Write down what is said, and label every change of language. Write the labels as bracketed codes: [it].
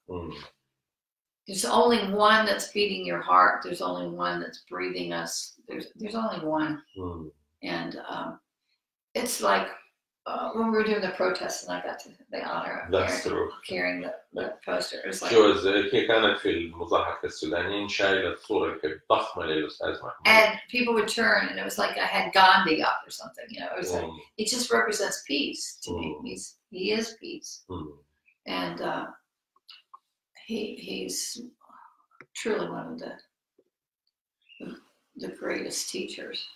[en] Mm. There's only one that's beating your heart. There's only one that's breathing us. There's only one. Mm. And it's like when we were doing the protests and I got to the honor of carrying the poster. She was kind of in [ar] مظاهرة السودانيين شايلة صورة ضخمة للأستاذ محمود. [en] And people would turn and it was like I had Gandhi up or something. You know, it was like, it just represents peace to me. He is peace. Mm. And He's truly one of the greatest teachers.